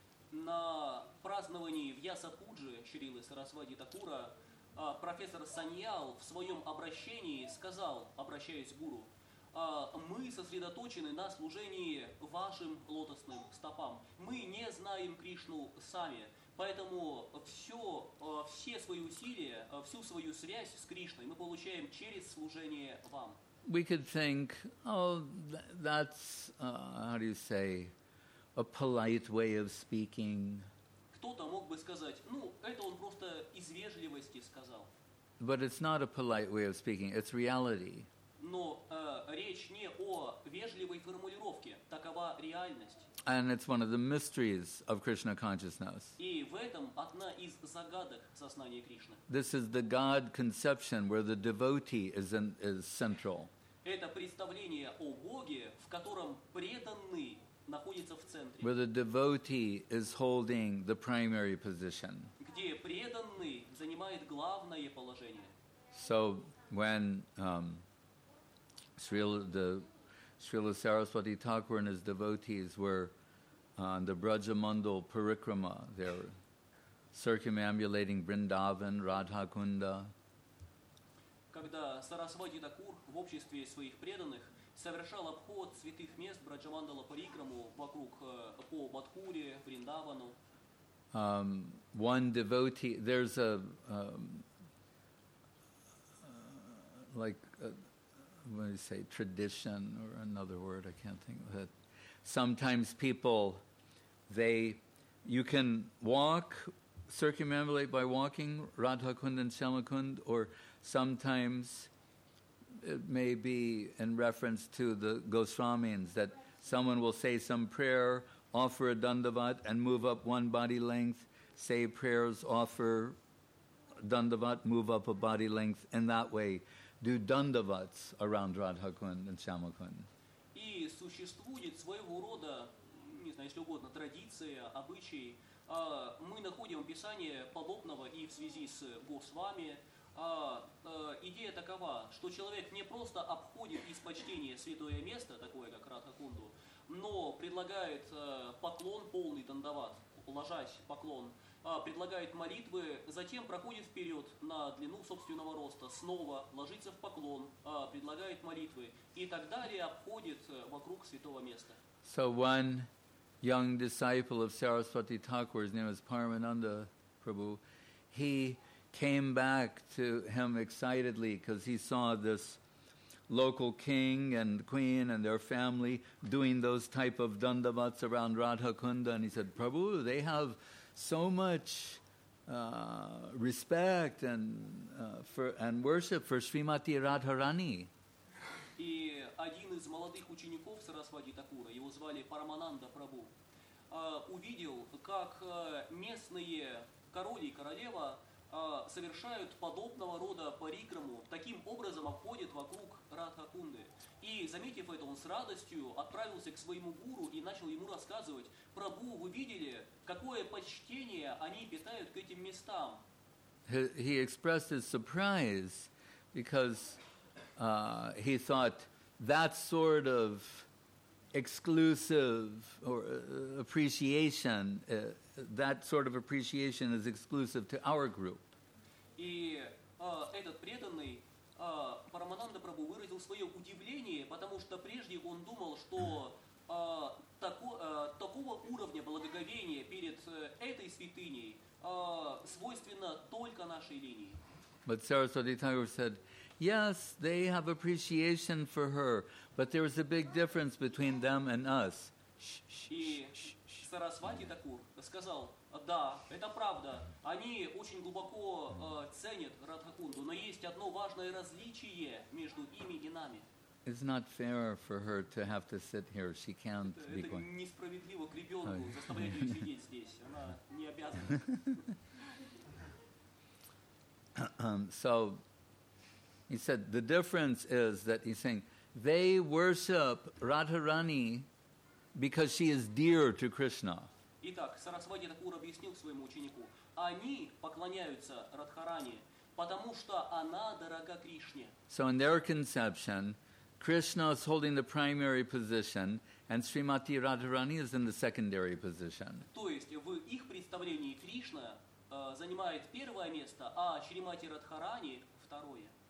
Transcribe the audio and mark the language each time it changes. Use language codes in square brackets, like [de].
[ru] На праздновании Вьяса-пуджи Шрилы Сарасвати Такура профессор Саньял в своем обращении сказал, обращаясь к гуру, мы сосредоточены на служении вашим лотосным стопам. Мы не знаем Кришну сами, поэтому все свои усилия, всю свою связь с Кришной мы получаем через служение вам. [en] We could think, oh, that's, how do you say, a polite way of speaking. [ru] кто-то мог бы сказать, ну, это он просто из вежливости сказал. [en] But it's not a polite way of speaking, it's reality. [ru] Но речь не о вежливой формулировке, такова реальность. [en] And it's one of the mysteries of Krishna consciousness. [ru] И в этом одна из загадок сознания Кришны. [en] This is the God conception where the devotee is central. [ru] Это представление о Боге, в котором преданный находится в центре. [en] Where the devotee is holding the primary position. [ru] Где преданный занимает главное положение. [en] So when Srila Saraswati Thakur and his devotees were on the Brajamandal Parikrama, they're circumambulating Vrindavan, Radha Kunda. [ru] Когда Сарасвати Такур в обществе своих преданных совершал обход святых мест Браджамандала Парикраму вокруг по Мадхуре, Вриндавану. [en] One devotee, there's a when you say tradition or another word, I can't think of it. Sometimes people, you can walk, circumambulate by walking Radha Kund and Shyama Kund, or sometimes it may be in reference to the Goswamis that someone will say some prayer, offer a dandavat, and move up one body length, say prayers, offer dandavat, move up a body length, and that way do dandavats around Radha Kund and Shyama Kund. [ru] И существует своего рода, не знаю, если угодно, традиция, обычай. Мы находим описание подобного и в связи с Госвами. Идея такова, что человек не просто обходит из почтения святое место, такое как Радха Кунду, но предлагает поклон, полный дандават, ложась поклон, предлагает молитвы, затем проходит вперед на длину собственного роста, снова ложится в поклон, предлагает молитвы и так далее обходит вокруг святого места. [en] So one young disciple of Saraswati Thakur, his name is Paramananda Prabhu, he came back to him excitedly because he saw this local king and queen and their family doing those type of dandavats around Radha Kunda, and he said, Prabhu, they have so much respect and worship for Srimati Radharani. [ru] И один из молодых учеников Сарасвати Такура, его звали Парамананда Прабу, увидел, как местные король и королева совершают подобного рода парикраму, таким образом обходят вокруг Радха Кунды. И, заметив это, он с радостью отправился к своему гуру и начал ему рассказывать: «Прабу, вы видели, какое почтение они питают к этим местам?» [en] He expressed his surprise, because he thought that sort of exclusive or appreciation, that sort of appreciation is exclusive to our group. [ru] И этот преданный, Парамананда Прабу, выразил свое удивление, потому что прежде он думал, что такого уровня благоговения перед этой святыней свойственно только нашей линии. [en] But Saraswati Thakur said, yes, they have appreciation for her, but there is a big difference between them and us. [ru] И Сарасвати Такур сказал: да, это правда. Они очень глубоко ценят Радха Кунду, но есть одно важное различие между ими и нами. [en] It's not fair for her to have to sit here. She can't be quiet. [ru] Это несправедливо к ребенку заставлять ее сидеть здесь. Она не обязана. [en] So he said the difference is that he's saying they worship Radharani because she is dear to Krishna. [ru] Итак, Сарасвати Такур объяснил своему ученику: они поклоняются Радхарани, потому что она дорога Кришне. [en] So in their conception, Krishna is holding the primary position, and Srimati Radharani is in the secondary position. [ru] То есть в их представлении Кришна занимает первое место, а Шримати Радхарани второе.